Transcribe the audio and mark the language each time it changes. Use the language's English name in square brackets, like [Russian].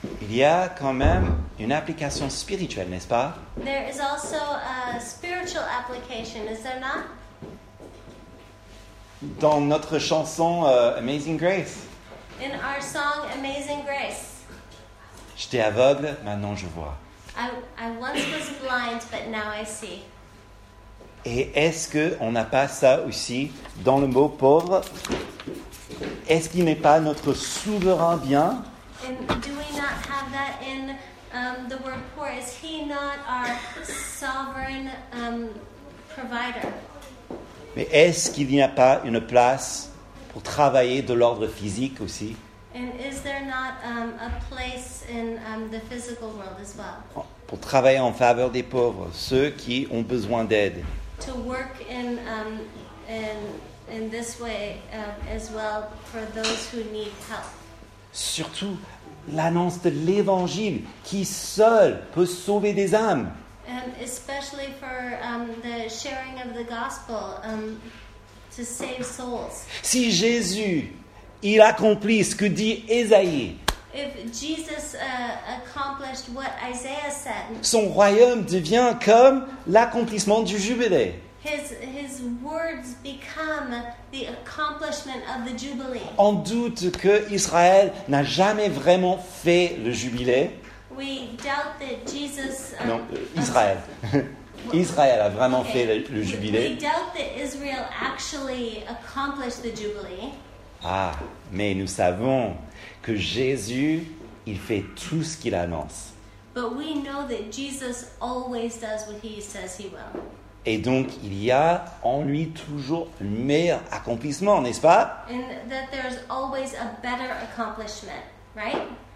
[French] il y a quand même une application spirituelle, n'est-ce pas? [English] There is also a spiritual application, is there not? [French] Dans notre chanson Amazing Grace. [English] In our song Amazing Grace. [French] J'étais aveugle, maintenant je vois. [English] I once was blind, but now I see. [French] Et est-ce qu'on n'a pas ça aussi dans le mot pauvre? Est-ce qu'il n'est pas notre souverain bien? [English] And do we not have that in the word poor? Is he not our sovereign provider? [French] Mais est-ce qu'il n'y a pas une place pour travailler de l'ordre physique aussi? [English] And is there not a place in the physical world as well? [French] Pour travailler en faveur des pauvres, ceux qui ont besoin d'aide. [English] To work in this way as well for those who need help. [French] Surtout l'annonce de l'Évangile qui seul peut sauver des âmes. [English] And especially for the sharing of the gospel to save souls. [French] Si Jésus il accomplit ce que dit Ésaïe. [English] If Jesus accomplished what Isaiah said, [French] son royaume devient comme l'accomplissement du jubilé. [English] His words become the accomplishment of the jubilee. [French] On doute que Israël n'a jamais vraiment fait le jubilé. [English] We doubt that Jesus. [French] Non, Israël. Israël a vraiment fait le jubilé. [English] We doubt that Israel actually accomplished the jubilee. [French] Ah, mais nous savons que Jésus, il fait tout ce qu'il annonce. [English] But we know that Jesus always does what he says he will. [French] Et donc, il y a en lui toujours un meilleur accomplissement, n'est-ce pas? [English] And that there's always a better accomplishment, right?